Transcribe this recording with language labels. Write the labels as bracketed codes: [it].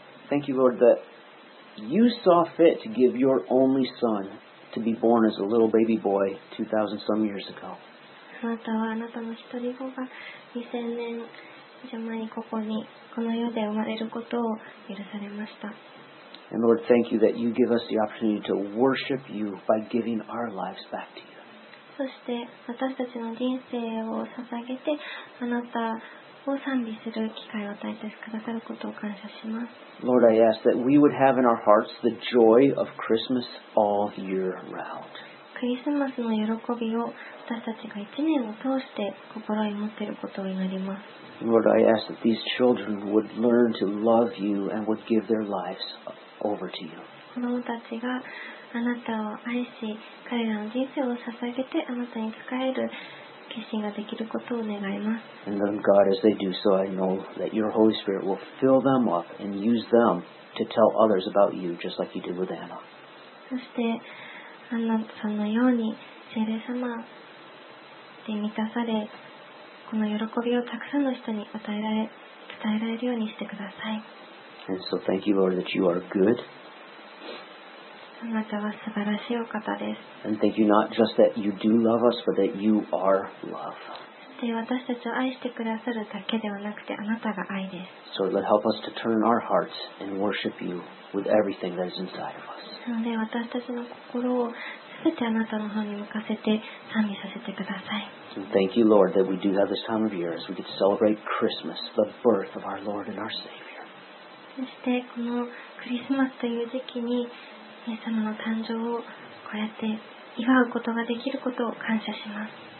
[en] Thank you, Lord, that you saw fit to give your only son to be born as a little baby boy 2,000 some years ago. And Lord, thank you that you give us the opportunity to worship you by giving our lives back to you. [ja] そして私たちの人生を捧げてあなたを賛美する機会を与えてくださることを感謝します。 [en] Lord, I ask that we would have in our hearts the joy of Christmas all year round. [ja] クリスマスの喜びを私たちが一年を通して心に持っていることを祈ります。 [en] Lord, I ask that these children would learn to love you and would give their lives over to you. [ja] 子供たちがあなたを愛し彼らの人生を捧げてあなたに仕える決心ができることを願います。 [en] And then God, as they do so, I know that your Holy Spirit will fill them up and use them to tell others about you, just like you did with Anna. [ja] そしてあなたのように聖霊様で満たされこの喜びをたくさんの人に伝えられるようにしてください。 [en] And so thank you, Lord, that you are good. [ja] あなたは素晴らしいお方です。 [en] And thank you not just that you do love us, but that you are love. [ja] で、私たちを愛してくださるだけではなくて、あなたが愛です。 [en] So let help us to turn our hearts and worship you with everything that is inside of us. [ja] なので、私たちの心をすべてあなたの方に向かせて賛美させてください。 [en] And thank you, Lord, that we do have this time of year as we get to celebrate Christmas, the birth of our Lord and our Savior. [ja] そしてこのクリスマスという時期に。イエス様の誕生をこうやって祝うことができることを感謝します。